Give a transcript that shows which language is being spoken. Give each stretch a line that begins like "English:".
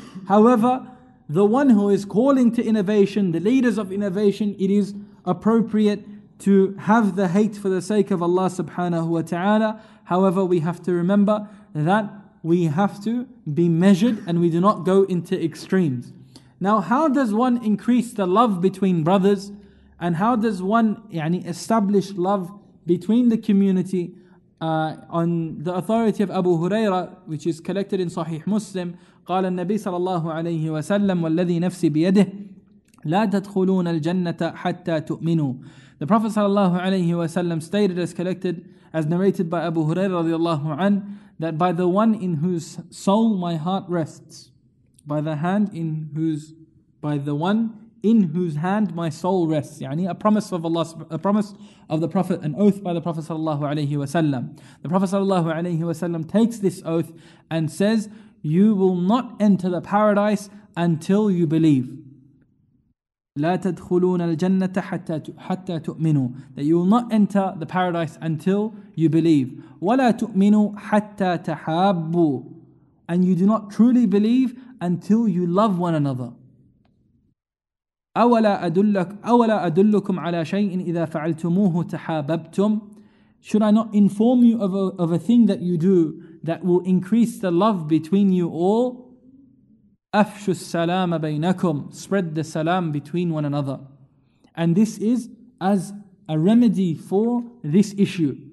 English: However, the one who is calling to innovation, the leaders of innovation, it is appropriate to have the hate for the sake of Allah subhanahu wa ta'ala. However, we have to remember that we have to be measured and we do not go into extremes. Now, how does one increase the love between brothers? And how does one يعني, establish love between the community? On the authority of Abu Huraira, which is collected in Sahih Muslim,
Arabic: قال النبي صلى الله عليه وسلم والذي نفسي بيده لا تدخلون الجنة حتى تؤمنوا.
English: The Prophet صلى الله عليه وسلم stated as collected, as narrated by Abu Huraira رضي الله عنه, that by the one in whose soul my heart rests, by the one in whose hand my soul rests. يعني a promise of Allah, a promise of the Prophet, an oath by the Prophet sallallahu alaihi wasallam. The Prophet sallallahu alaihi wasallam takes this oath and says, "You will not enter the paradise until you believe."
Arabic: لا تدخلون الجنة حتى تؤمنوا.
English: That you will not enter the paradise until you believe.
Arabic: ولا تؤمنوا حتى تحابوا.
English: And you do not truly believe until you love one another.
Arabic: أولا أدلكم على شيء إذا فعلتموه تحاببتم.
English: Should I not inform you of a thing that you do that will increase the love between you all?
Arabic: أفشوا السلام بينكم.
English: Spread the salam between one another. And this is as a remedy for this issue.